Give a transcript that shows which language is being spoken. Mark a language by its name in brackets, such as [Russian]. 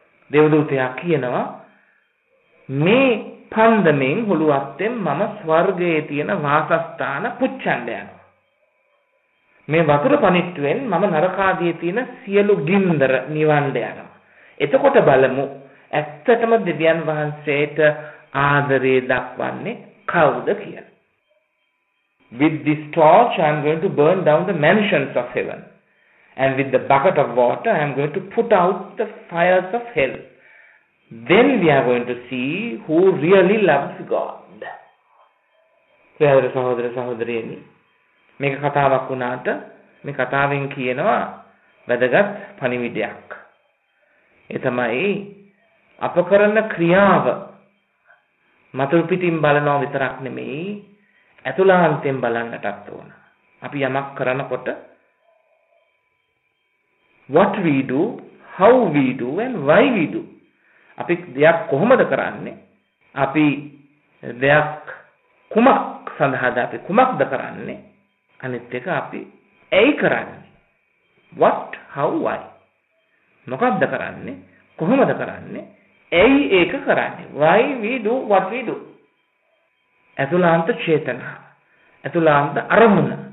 [Sinhala] දේවදූතයා කියනවා, මේ පන්දමෙන් හුළුවත්තෙන් මම ස්වර්ගයේ තියෙන වාසස්ථාන පුච්ඡන්න යනවා. මේ වතුර පණිට්ටුවෙන් මම නරකාදී තියෙන සියලු ගින්දර නිවන්න යනවා. එතකොට බලමු ඇත්තටම දෙවියන් වහන්සේට ආදරේ දක්වන්නේ කවුද කියලා. [English] With this torch, I am going to burn down the mansions of heaven. And with the bucket of water, I am going to put out the fires of hell. Then we are going to see who really loves God. [Sinhala] සහෝදර සහෝදර සහෝදරියනි, මේක කතාවක් වුණාට මේ කතාවෙන් කියනවා වැදගත් පණිවිඩයක්. ඒ තමයි අප කරන ක්‍රියාව මතුරු පිටින් බලනවා විතරක් නෙමෙයි ඇතුළාන්තයෙන් බලන්නටත් ඕන. අපි යමක් කරනකොට [English] what we do, how we do [Sinhala] and why we do. අපි දෙයක් කොහොමද කරන්නේ? අපි දෙයක් කුමක් සඳහාද අපි කුමක්ද කරන්නේ? අනිත් එක අපි ඇයි කරන්නේ? [English] what, how, why. [Sinhala] මොකක්ද කරන්නේ? කොහොමද කරන්නේ? ඇයි ඒක කරන්නේ? [English] why we do what we do. [Sinhala] ඇතුළාන්ත චේතනා, ඇතුළාන්ත අරමුණ.